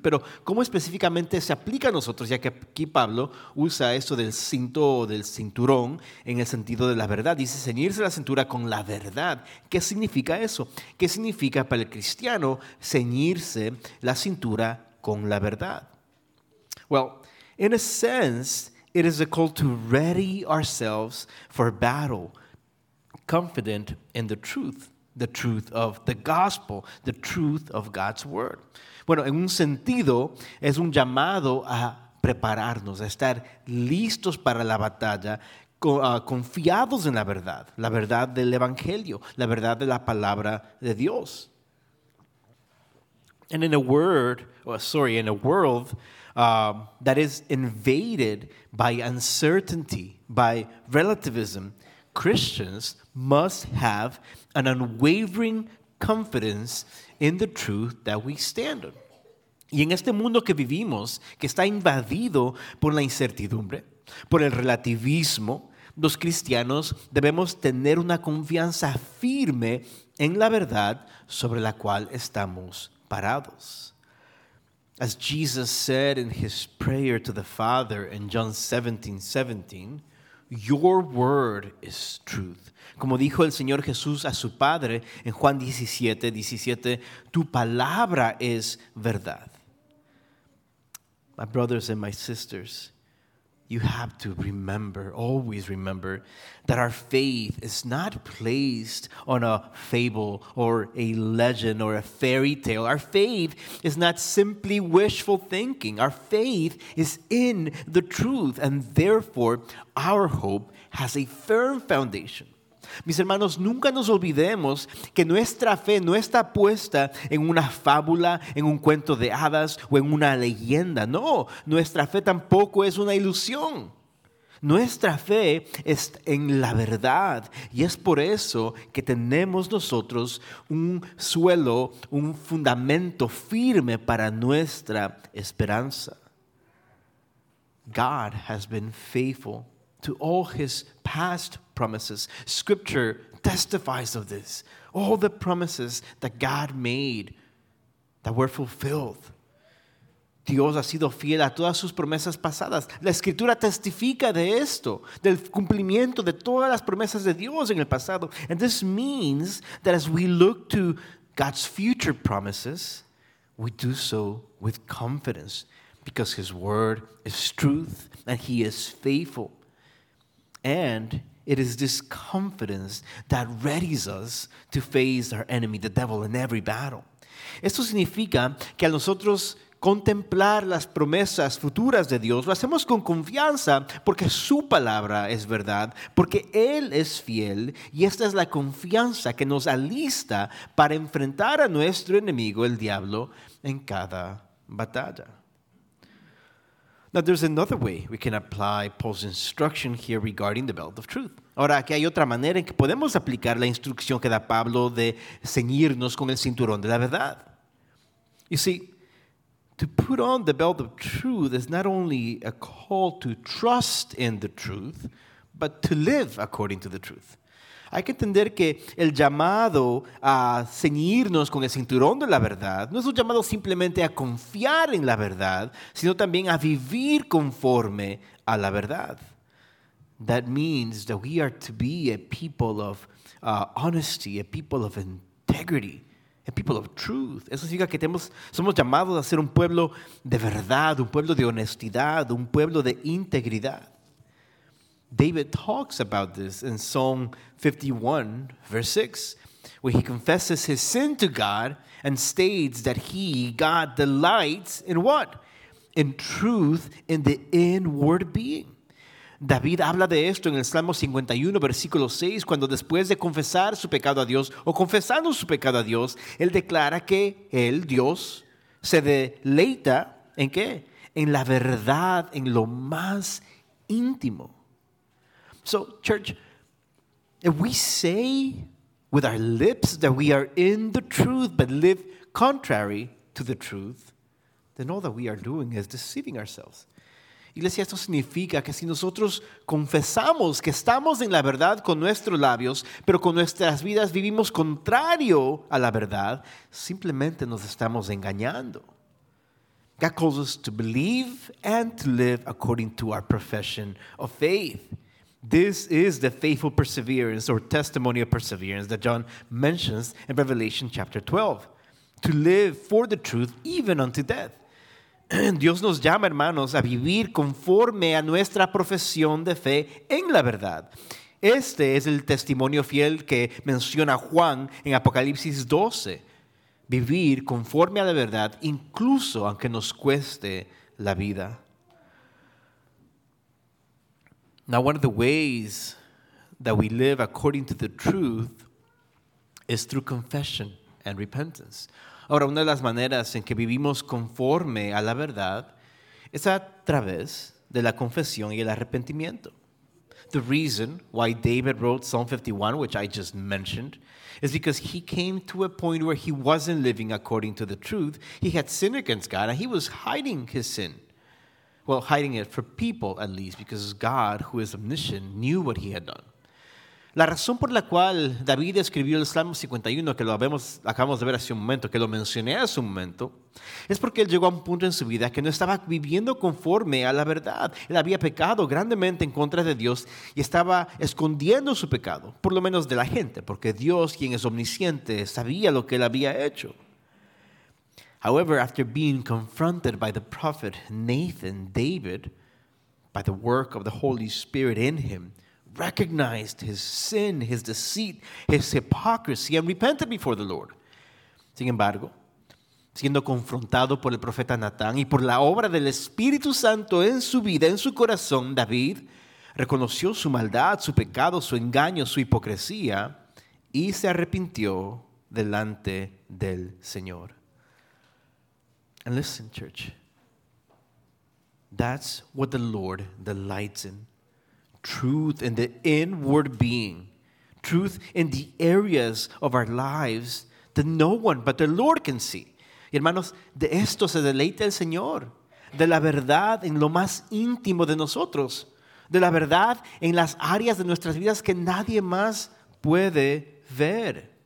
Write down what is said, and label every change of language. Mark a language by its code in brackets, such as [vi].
[es] Pero ¿cómo específicamente se aplica a nosotros, ya que aquí Pablo usa esto del cinto o del cinturón en el sentido de la verdad? Dice ceñirse la cintura con la verdad. ¿Qué significa eso? ¿Qué significa para el cristiano ceñirse la cintura con la verdad? [en] Well, in a sense, it is a call to ready ourselves for battle, confident in the truth of the gospel, the truth of God's word. [es] Bueno, en un sentido, es un llamado a prepararnos, a estar listos para la batalla, confiados en la verdad del evangelio, la verdad de la palabra de Dios. [en] And in a world, that is invaded by uncertainty, by relativism, Christians must have an unwavering confidence in the truth that we stand on. [es] Y en este mundo que vivimos, que está invadido por la incertidumbre, por el relativismo, los cristianos debemos tener una confianza firme en la verdad sobre la cual estamos parados. [en] As Jesus said in his prayer to the Father in John 17:17, your word is truth. [es] Como dijo el Señor Jesús a su Padre en Juan 17:17, tu palabra es verdad. [en] My brothers and my sisters, you have to remember, always remember, that our faith is not placed on a fable or a legend or a fairy tale. Our faith is not simply wishful thinking. Our faith is in the truth, and therefore our hope has a firm foundation. [es] Mis hermanos, nunca nos olvidemos que nuestra fe no está puesta en una fábula, en un cuento de hadas o en una leyenda. No, nuestra fe tampoco es una ilusión. Nuestra fe es en la verdad y es por eso que tenemos nosotros un suelo, un fundamento firme para nuestra esperanza. [en] God has been faithful to all his past promises. Scripture testifies of this. All the promises that God made that were fulfilled. [es] Dios ha sido fiel a todas sus promesas pasadas. La Escritura testifica de esto, del cumplimiento de todas las promesas de Dios en el pasado. [en] And this means that as we look to God's future promises, we do so with confidence because his word is truth and he is faithful. And it is this confidence that readies us to face our enemy, the devil, in every battle. [es] Esto significa que al nosotros contemplar las promesas futuras de Dios, lo hacemos con confianza porque su palabra es verdad, porque él es fiel, y esta es la confianza que nos alista para enfrentar a nuestro enemigo, el diablo, en cada batalla. [en] Now, there's another way we can apply Paul's instruction here regarding the belt of truth. [es] Ahora, aquí hay otra manera en que podemos aplicar la instrucción que da Pablo de ceñirnos con el cinturón de la verdad. [en] You see, To put on the belt of truth is not only a call to trust in the truth, but to live according to the truth. [es] Hay que entender que el llamado a ceñirnos con el cinturón de la verdad no es un llamado simplemente a confiar en la verdad, sino también a vivir conforme a la verdad. [en] That means that we are to be a people of honesty, a people of integrity, a people of truth. [es] Eso significa que somos llamados a ser un pueblo de verdad, un pueblo de honestidad, un pueblo de integridad. [en] David talks about this in Psalm 51, verse 6, where he confesses his sin to God and states that he, God, delights in what? In truth, in the inward being. [es] David habla de esto en el Salmo 51, versículo 6, cuando después de confesar su pecado a Dios, o confesando su pecado a Dios, él declara que él, Dios, se deleita, ¿en qué? En la verdad, en lo más íntimo. [en] So, church, if we say with our lips that we are in the truth but live contrary to the truth, then all that we are doing is deceiving ourselves. [es] Iglesia, esto significa que si nosotros confesamos que estamos en la verdad con nuestros labios, pero con nuestras vidas vivimos contrario a la verdad, simplemente nos estamos engañando. [en] God calls us to believe and to live according to our profession of faith. This is the faithful perseverance or testimony of perseverance that John mentions in Revelation chapter 12. To live for the truth even unto death. [es] Dios nos llama, hermanos, a vivir conforme a nuestra profesión de fe en la verdad. Este es el testimonio fiel que menciona Juan en Apocalipsis 12. Vivir conforme a la verdad incluso aunque nos cueste la vida. [en] Now, one of the ways that we live according to the truth is through confession and repentance. [es] Ahora, una de las maneras en que vivimos conforme a la verdad es a través de la confesión y el arrepentimiento. [en] The reason why David wrote Psalm 51, which I just mentioned, is because he came to a point where he wasn't living according to the truth. He had sinned against God and he was hiding his sin. Well, hiding it for people at least, because God, who is omniscient, knew what he had done. [es] La razón por la cual David escribió el Salmo 51, que acabamos de ver hace un momento, que lo mencioné hace un momento, es porque él llegó a un punto en su vida que no estaba viviendo conforme a la verdad. Él había pecado grandemente en contra de Dios y estaba escondiendo su pecado, por lo menos de la gente, porque Dios, quien es omnisciente, sabía lo que él había hecho. [en] However, after being confronted by the prophet Nathan, David, by the work of the Holy Spirit in him, recognized his sin, his deceit, his hypocrisy, and repented before the Lord. [es] Sin embargo, siendo confrontado por el profeta Natán y por la obra del Espíritu Santo en su vida, en su corazón, David reconoció su maldad, su pecado, su engaño, su hipocresía, y se arrepintió delante del Señor. [en] And listen, church, that's what the Lord delights in. Truth in the inward being. Truth in the areas of our lives that no one but the Lord can see. [es] Y hermanos, de esto se deleita el Señor. De la verdad en lo más íntimo de nosotros. De la verdad en las áreas de nuestras vidas que nadie más puede ver.